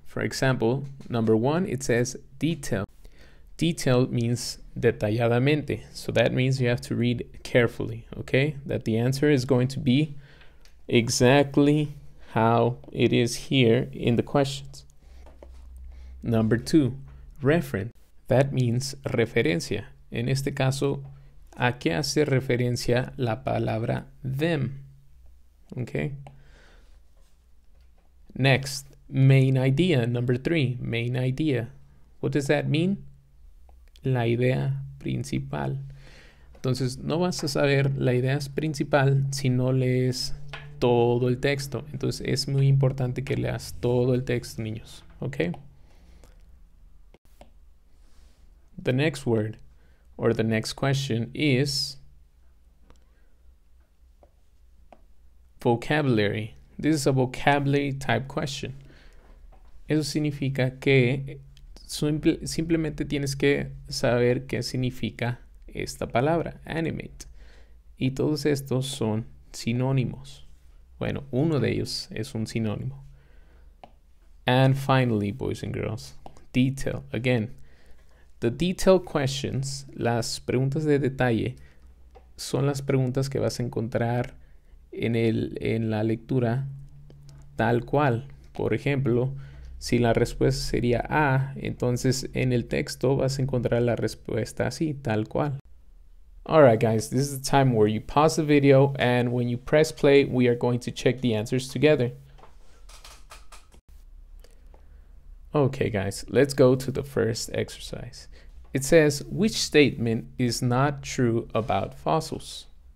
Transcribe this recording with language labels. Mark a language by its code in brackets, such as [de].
[en] For example, number one, it says detail. Detail means detalladamente, so that means you have to read carefully, okay? That the answer is going to be exactly how it is here in the questions. Number two, reference. That means referencia. [es] En este caso, ¿a qué hace referencia la palabra them? [en] Okay. Next, main idea. Number three, main idea. What does that mean? [es] La idea principal. Entonces, no vas a saber la idea principal si no lees todo el texto. Entonces, es muy importante que leas todo el texto, niños. [en] Okay. The next word or the next question is vocabulary. This is a vocabulary type question. [es] Eso significa que simplemente tienes que saber qué significa esta palabra, animate. Y todos estos son sinónimos. Bueno, uno de ellos es un sinónimo. [en] And finally, boys and girls, detail. Again, the detail questions, [es] las preguntas de detalle, son las preguntas que vas a encontrar en la lectura tal cual. Por ejemplo, si la respuesta sería A, entonces en el texto vas a encontrar la respuesta así, tal cual. [en] All right, guys, this is the time where you pause the video, and when you press play, we are going to check the answers together. Okay, guys, let's go to the first exercise. It says, which statement is not true about fossils?